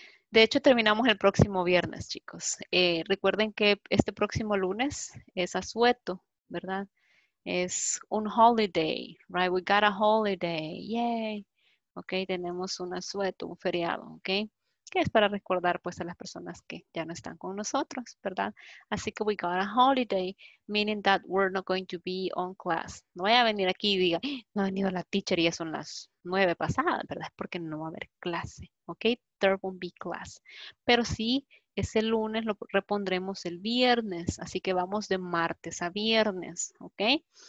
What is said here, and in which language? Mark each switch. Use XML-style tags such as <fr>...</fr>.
<es>De hecho, terminamos el próximo viernes, chicos. Recuerden que este próximo lunes es asueto, ¿verdad? Es un</es> <en>holiday, right? We got a holiday, yay.</en> <es>Ok, tenemos un asueto, un feriado, ok. Que es para recordar, pues, a las personas que ya no están con nosotros, ¿verdad? Así que</es> <en>we got a holiday, meaning that we're not going to be on class.</en> <es>No voy a venir aquí y diga, no ha venido la teacher y ya son las 9 pasadas, ¿verdad? Es porque no va a haber clase, ¿ok?</es> <en>There won't be class.</en> <es>Pero sí, ese lunes lo repondremos el viernes, así que vamos de martes a viernes, ¿ok?</es>